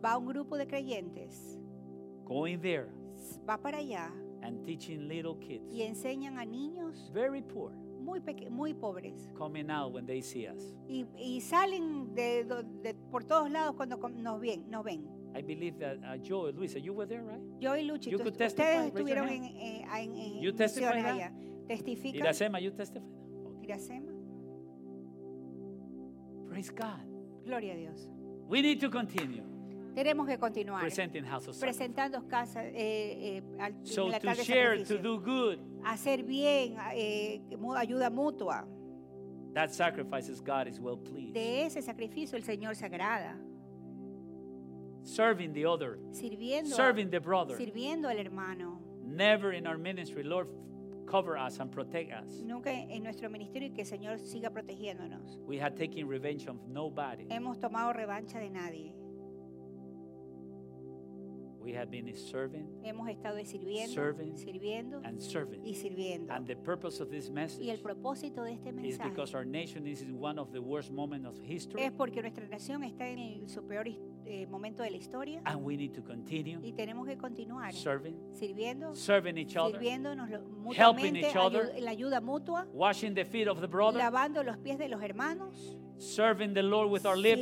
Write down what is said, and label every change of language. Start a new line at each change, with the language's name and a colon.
Spanish: va un grupo de creyentes
English: going there
Spanish: va para allá
English: and teaching little kids
Spanish: y enseñan a niños
English: very poor
Spanish: muy pobres
English: coming out when they see us
Spanish: y salen de por todos lados cuando nos ven.
English: I believe that Joe and Luisa, you were there, right?
Spanish: Joe y Luchi,
English: you could testify.
Spanish: Ustedes estuvieron en
English: you testify
Spanish: allá. Testifican.
English: Iracema, you testify. Okay.
Spanish: Iracema.
English: Praise God.
Spanish: Gloria a Dios.
English: We need to continue.
Spanish: Tenemos que continuar.
English: Presenting house of sacrifice.
Spanish: Presentando casa al altar de sacrificio.
English: So to share, to do good.
Spanish: Hacer bien, ayuda mutua.
English: That sacrifice is God is well pleased.
Spanish: De ese sacrificio el Señor se agrada.
English: Serving the other.
Spanish: Sirviendo.
English: Serving the brother.
Spanish: Sirviendo al hermano.
English: Never in our ministry, Lord. Cover us and protect us.
Spanish: Nunca en nuestro ministerio y que el Señor siga protegiéndonos.
English: We have taken revenge of nobody.
Spanish: Hemos tomado revancha de nadie.
English: We have been serving.
Spanish: Hemos estado sirviendo.
English: Serving.
Spanish: Sirviendo.
English: And serving.
Spanish: Y sirviendo.
English: And the purpose of this message.
Spanish: Y el propósito de este mensaje.
English: Is because our nation is in one of the worst moments of history.
Spanish: Es porque nuestra nación está en su peor momento de la historia.
English: And we need to continue.
Spanish: Y tenemos que continuar.
English: Serving.
Spanish: Sirviendo.
English: Serving each other.
Spanish: Sirviéndonos mutuamente.
English: Helping each other.
Spanish: La ayuda mutua.
English: Washing the feet of the brother.
Spanish: Lavando los pies de los hermanos.
English: Serving the Lord with our lips.